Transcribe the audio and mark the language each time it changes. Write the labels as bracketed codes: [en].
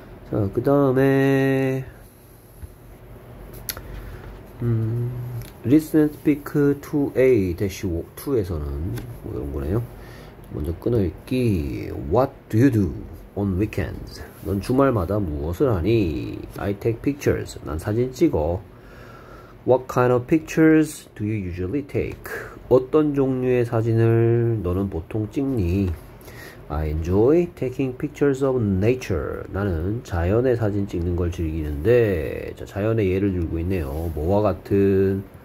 [ko] 자, 그 다음에 Listen and speak to A-2에서는 뭐 이런 거네요. 먼저 끊어읽기. [en] What do you do on weekends? [ko] 넌 주말마다 무엇을 하니? [en] I take pictures. [ko] 난 사진 찍어. [en] What kind of pictures do you usually take? [ko] 어떤 종류의 사진을 너는 보통 찍니? [en] I enjoy taking pictures of nature. [ko] 나는 자연의 사진 찍는 걸 즐기는데, 자, 자연의 예를 들고 있네요. 뭐와 같은?